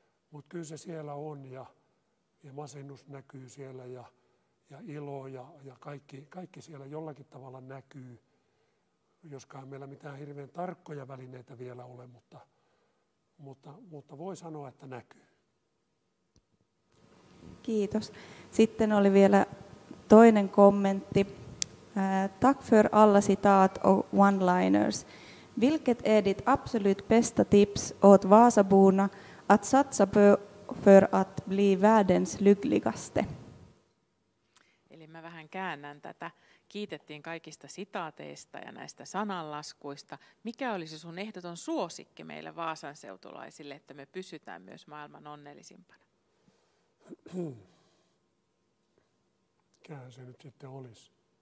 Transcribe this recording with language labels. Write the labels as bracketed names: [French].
[Finnish] Mutta kyllä se siellä on ja masennus näkyy siellä ja ilo ja kaikki siellä jollakin tavalla näkyy. Joskaan meillä mitään hirveän tarkkoja välineitä vielä ole, mutta voi sanoa, että näkyy. Kiitos. Sitten oli vielä toinen kommentti. [Swedish] Tack för alla citat och one-liners. Vilket är ditt absolut bästa tips åt Vasaborna att satsa på för att bli världens lyckligaste? [Finnish] Eli mä vähän käännän tätä. Kiitettiin kaikista sitaateista ja näistä sananlaskuista. Mikä olisi sun ehdoton suosikki meille Vaasan seutulaisille, että me pysytään myös maailman onnellisimpana? Mikähän se nyt sitten olisi?